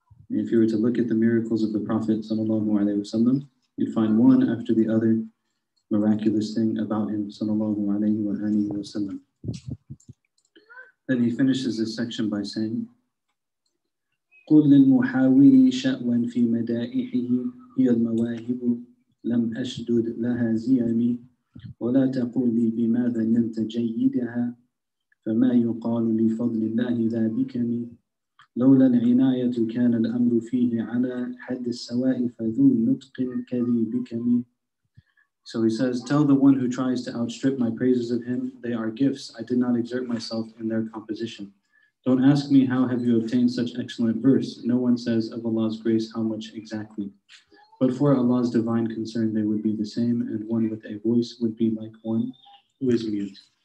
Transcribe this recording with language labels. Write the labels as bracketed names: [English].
[English] And if you were to look at the miracles of the Prophet sallallahu alaihi wasallam, you'd find one after the other miraculous thing about him sallallahu alaihi wasallam. Then he finishes this section by saying, [Arabic] قل للمحاول شأوا في مدائحه هي المواهب لم أشدد لها زيامي ولا تقول لي بماذا نلت جيدها فما يقال لفضل الله ذا بكني لولا العناية كان الأمر فيه على حد السواء فذو نطق كذي بكني. [English] So he says, tell the one who tries to outstrip my praises of him, they are gifts, I did not exert myself in their composition. Don't ask me how have you obtained such excellent verse. No one says of Allah's grace how much exactly. But for Allah's divine concern, they would be the same, and one with a voice would be like one who is mute.